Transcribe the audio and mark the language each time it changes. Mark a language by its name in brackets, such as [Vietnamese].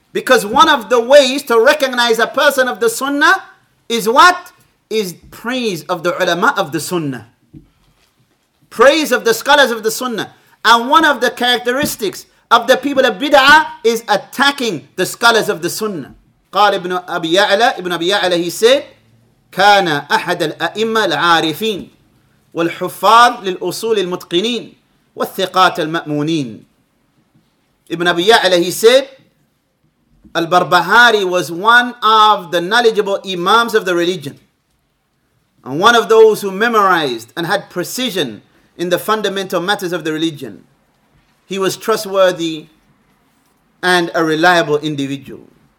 [English] Because one of the ways to recognize a person of the Sunnah is what? Is praise of the ulama of the Sunnah. Praise of the scholars of the Sunnah. And one of the characteristics of the people of Bid'ah is attacking the scholars of the Sunnah. [Arabic] قال ابن أبي يعلى, ابن أبي يعلى, [English] he said, [Arabic] كان أحد الأئمة العارفين والحفاظ للأصول المتقنين والثقات المأمونين. [English] Ibn Abi Ya'la, he said, Al-Barbahari was one of the knowledgeable imams of the religion, and one of those who memorized and had precision in the fundamental matters of the religion. He was trustworthy and a reliable individual.